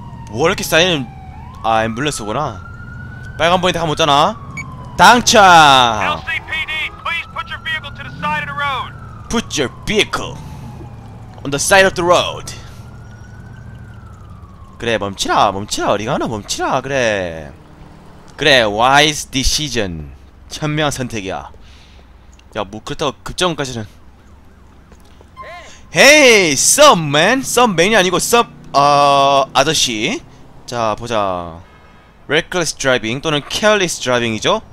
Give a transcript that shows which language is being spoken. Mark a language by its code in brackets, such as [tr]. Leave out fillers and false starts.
[ko] 뭐 이렇게 쌓이는 아, 앰뷸런스구나. 빨간불인데 가면 없잖아. 당첨! [en] LCPD, please put your vehicle to the side of the road. Put your vehicle on the side of the road. [ko] 그래, 멈추라, 어디 가나, 멈추라, 그래. [en] 그래, wise decision. [ko] 현명한 선택이야. 야, 뭐, 그렇다고 급정까지는. [en] Hey, sub man. Sub man [ko] 이 아니고, [en] sub, [ko] 아저씨. 자, 보자. [en] Reckless driving, 또는 careless driving이죠.